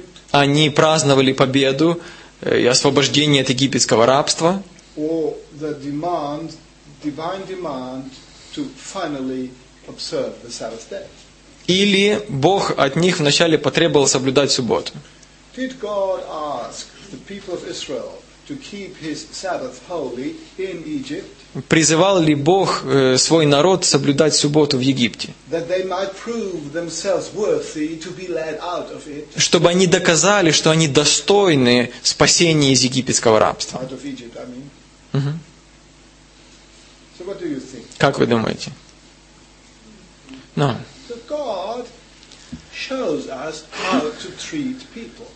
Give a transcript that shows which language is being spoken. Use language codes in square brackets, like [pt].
[ru] Они праздновали победу и освобождение от египетского рабства. Или Бог от них вначале потребовал соблюдать субботу. [en] Did God ask the people of Israel to keep his Sabbath holy in Egypt? [ru] Призывал ли Бог свой народ соблюдать субботу в Египте? [en] That they might prove themselves worthy to be led out of it. [ru] Чтобы они доказали, что они достойны спасения из египетского рабства. [en] Out of Egypt, I mean. Uh-huh. So what do you think? [ru] Как вы думаете? [en] No. God shows us how to treat people.